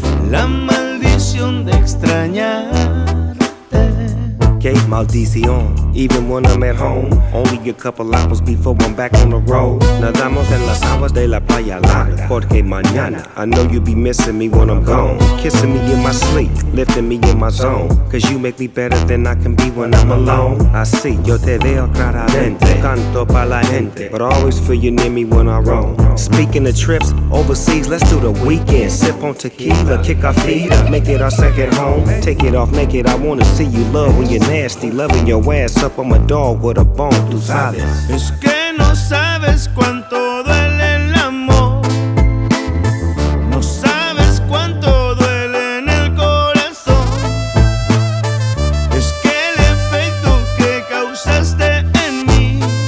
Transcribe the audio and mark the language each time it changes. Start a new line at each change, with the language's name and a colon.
Spanish: La maldición de extrañarte.
English: Maldición, even when I'm at home. Only a couple hours before I'm back on the road.
Spanish: Nadamos en las aguas de la playa larga. Porque mañana,
English: I know you'll be missing me when I'm gone. Kissing me in my sleep, lifting me in my zone. Cause you make me better than I can be when I'm alone.
Spanish: Así, yo te veo claramente. Canto pa' la gente.
English: But I always feel you near me when I roam. Speaking of trips, overseas, let's do the weekend. Sip on tequila, kick our feet up. Make it our second home. Take it off, make it, I wanna see you love when you're nasty. Loving your ass up on my dog with a bone,
Spanish: tú sabes. Es que no sabes cuánto duele el amor. No sabes cuánto duele en el corazón. Es que el efecto que causaste en mí.